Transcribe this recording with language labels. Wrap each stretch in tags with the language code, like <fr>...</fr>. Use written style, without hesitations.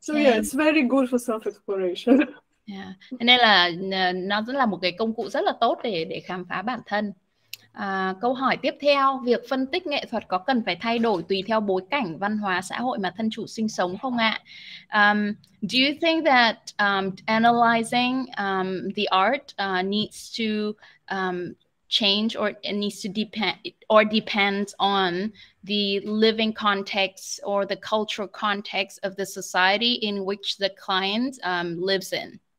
<en>So yeah, it's very good for self-exploration. Yeah.</en> <vi>Nên là nó rất là một cái công cụ rất là tốt để khám phá bản thân. Câu hỏi tiếp theo, việc phân tích nghệ thuật có cần phải thay đổi tùy theo bối cảnh văn hóa xã hội mà thân chủ sinh sống không ạ?</vi> <en>Do you think that analyzing the art needs to change or it needs to depend or depends on the living context or the cultural context of the society in which the client lives in?</en>